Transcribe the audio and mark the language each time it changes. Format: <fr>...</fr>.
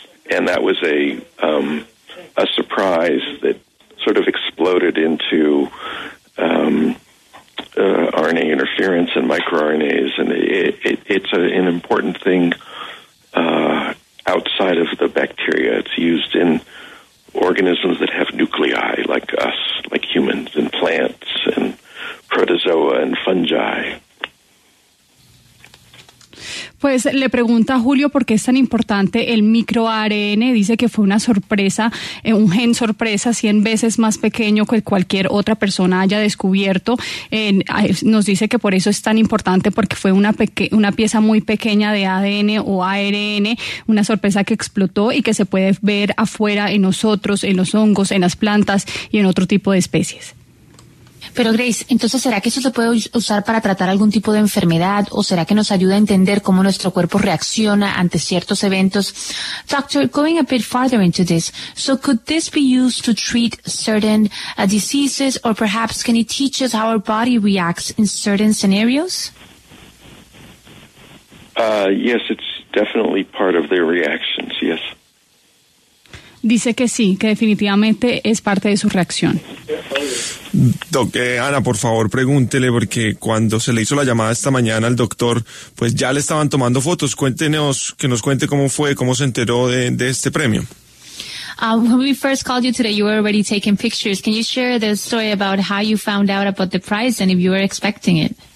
<en>And that was a surprise that sort of exploded into RNA interference and microRNAs, and it's an important thing outside of the bacteria. It's used in organisms that have nuclei, like us, like humans, and plants, and protozoa, and fungi.</en> <es>Pues le pregunta a Julio por qué es tan importante el microARN. Dice que fue una sorpresa, un gen sorpresa 100 veces más pequeño que cualquier otra persona haya descubierto. Nos dice que por eso es tan importante, porque fue una pieza muy pequeña de ADN o ARN, una sorpresa que explotó y que se puede ver afuera en nosotros, en los hongos, en las plantas y en otro tipo de especies. Pero Grace, entonces, ¿será que eso se puede usar para tratar algún tipo de enfermedad o será que nos ayuda a entender cómo nuestro cuerpo reacciona ante ciertos eventos?</es> <en>Doctor, going a bit farther into this, so could this be used to treat certain diseases or perhaps can it teach us how our body reacts in certain scenarios? Yes, it's definitely part of their reactions, yes.</en> <es>Dice que sí, que definitivamente es parte de su reacción. Doc, Ana, por favor, pregúntele, porque cuando se le hizo la llamada esta mañana al doctor, pues ya le estaban tomando fotos. Cuéntenos, que nos cuente cómo fue, cómo se enteró de este premio.</es> <en>When we first called you today, you were already taking pictures. Can you share the story about how you found out about the prize and if you were expecting it?</en>